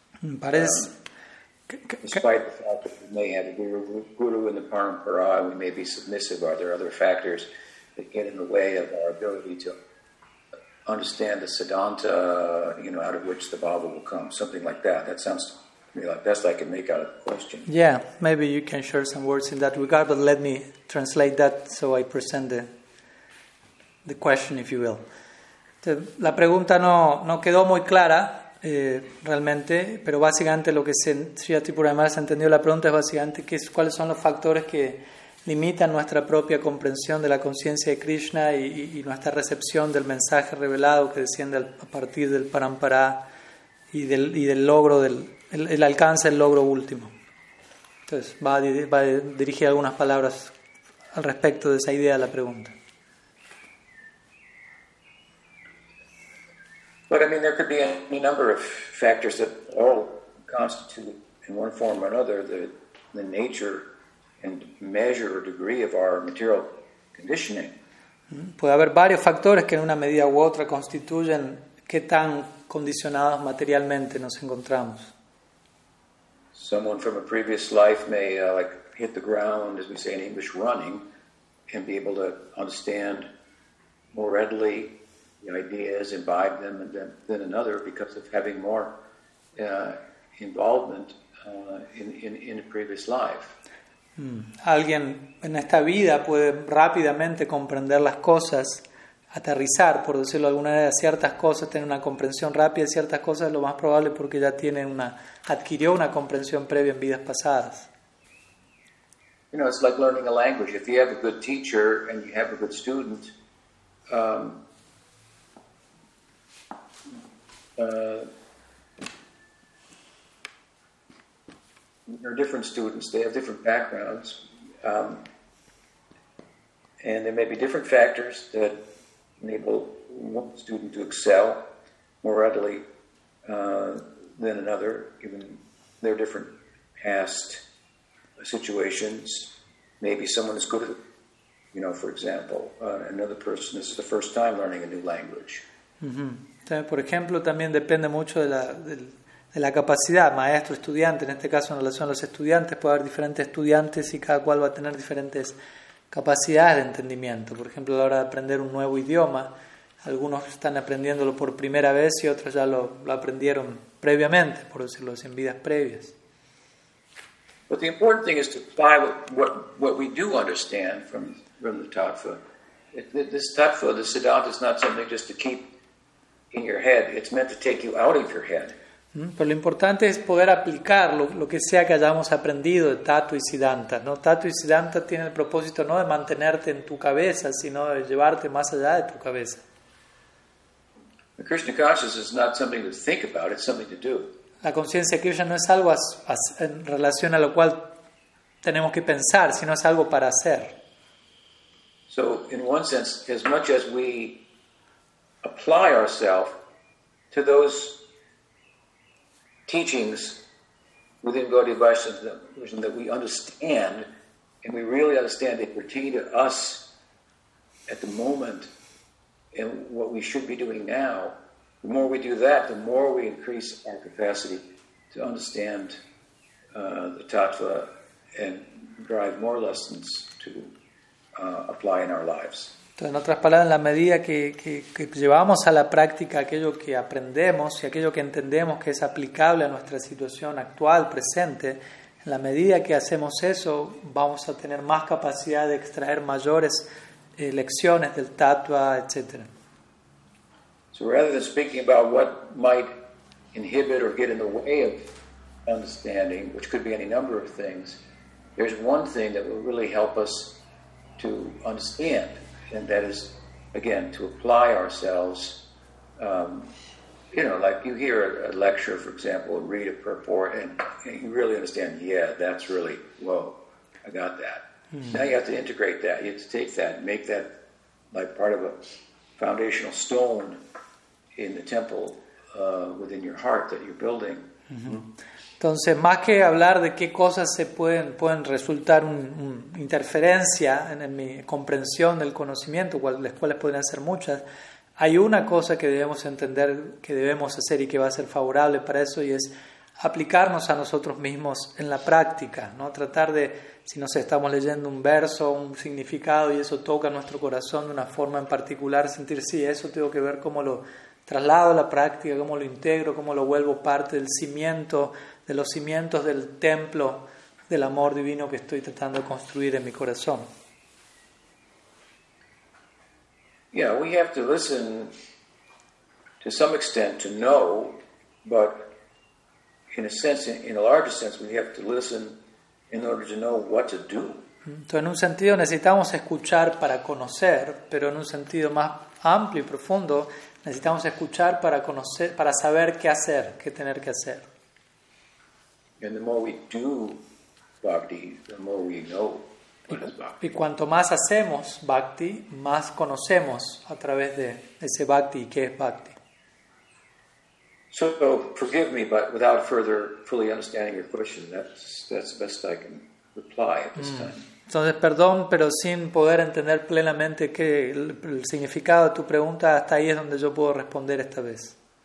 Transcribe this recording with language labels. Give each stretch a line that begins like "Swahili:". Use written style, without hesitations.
English: Despite the fact that we may have a guru in the parampara, we may be submissive, are there other factors that get in the way of our ability to understand the Siddhanta, you know, out of which the Bhava will come? Something like that. That sounds to me like best I can make out of the question. Yeah, maybe you can share some words in that regard, but let me translate that so I present the the question, if you will.
Spanish: La pregunta no quedó muy clara realmente, pero básicamente lo que Sri Atipurayamara se ha entendido la pregunta es básicamente que es, cuáles son los factores que limitan nuestra propia comprensión de la conciencia de Krishna y nuestra recepción del mensaje revelado que desciende a partir del Parampara y del logro, el alcance del logro último. Entonces va a dirigir algunas palabras al respecto de esa idea de la pregunta.
English: But I mean, there could be any number of factors that all constitute, in one form or another, the nature and measure or degree of our material conditioning.
Spanish: Puede haber varios factores que en una medida u otra constituyen qué tan condicionados materialmente nos encontramos.
English: Someone from a previous life may like hit the ground, as we say in English, running, and be able to understand more readily the ideas, imbibe them, and then another because of having more involvement in a previous life.
Spanish: Alguien en esta vida puede rápidamente comprender las cosas, aterrizar, por decirlo de alguna manera, ciertas cosas, tener una comprensión rápida de ciertas cosas, lo más probable porque ya adquirió una comprensión previa en vidas pasadas.
English: You know, it's like learning a language. If you have a good teacher and you have a good student, there are different students, they have different backgrounds, and there may be different factors that enable one student to excel more readily than another, even their different past situations. Maybe someone is good at, you know, for example, another person, this is the first time learning a new language. Mm-hmm.
Spanish: Por ejemplo, también depende mucho de la capacidad, maestro, estudiante, en este caso en relación a los estudiantes, puede haber diferentes estudiantes y cada cual va a tener diferentes capacidades de entendimiento. Por ejemplo, a la hora de aprender un nuevo idioma, algunos están aprendiéndolo por primera vez y otros ya lo aprendieron previamente, por decirlo así, en vidas previas.
English: But the important thing is to apply what we do understand from the tattva. This tattva, the siddhanta, is not something just to keep in your head, it's meant to take you out of your head.
Spanish: Pero lo importante es poder aplicar lo que sea que hayamos aprendido de Tattva y Siddhanta, ¿no? Tattva y Siddhanta tiene el propósito no de mantenerte en tu cabeza, sino de llevarte más allá de tu cabeza.
English: The Krishna consciousness is not something to think about, it's something to do.
Spanish: La conciencia de Krishna no es algo en relación a lo cual tenemos que pensar, sino es algo para hacer.
English: So, in one sense, as much as we apply ourselves to those teachings within Gaudiya Vaishnavism that we understand, and we really understand they pertain to us at the moment and what we should be doing now, the more we do that, the more we increase our capacity to understand the tattva and drive more lessons to apply in our lives.
Spanish: Entonces, en otras palabras, en la medida que llevamos a la práctica aquello que aprendemos y aquello que entendemos que es aplicable a nuestra situación actual, presente, en la medida que hacemos eso, vamos a tener más capacidad de extraer mayores lecciones del tattva, etc.
English: So rather than speaking about what might inhibit or get in the way of understanding, which could be any number of things, there's one thing that will really help us to understand. And that is, again, to apply ourselves, you know, like you hear a lecture, for example, and read a purport, and you really understand, yeah, that's really, whoa, I got that. Mm-hmm. Now you have to integrate that. You have to take that and make that like part of a foundational stone in the temple within your heart that you're building. Mm-hmm.
Spanish: Entonces, más que hablar de qué cosas se pueden resultar una interferencia en mi comprensión del conocimiento, las cuales podrían ser muchas, hay una cosa que debemos entender, que debemos hacer y que va a ser favorable para eso, y es aplicarnos a nosotros mismos en la práctica, ¿no? Tratar de, si no sé, estamos leyendo un verso, un significado, y eso toca nuestro corazón de una forma en particular, sentir, sí, eso tengo que ver cómo lo traslado a la práctica, cómo lo integro, cómo lo vuelvo parte del cimiento, de los cimientos del templo del amor divino que estoy tratando de construir en mi corazón.
English: you know, we have to listen to some extent to know, but in a sense, in a larger sense, we have to listen in order to know what to do.
Spanish: Entonces, en un sentido necesitamos escuchar para conocer, pero en un sentido más amplio y profundo necesitamos escuchar para conocer, para saber qué hacer, qué tener que hacer.
English: And the more we do bhakti, the more we know what is bhakti.
Spanish: Y cuanto más hacemos bhakti, más conocemos a través de ese bhakti qué es bhakti.
English: So forgive me, but without further fully understanding your question, that's the best I can reply at this time.
Spanish: Entonces, perdón, pero sin poder entender plenamente qué el significado de tu pregunta, hasta ahí es donde yo puedo responder esta vez.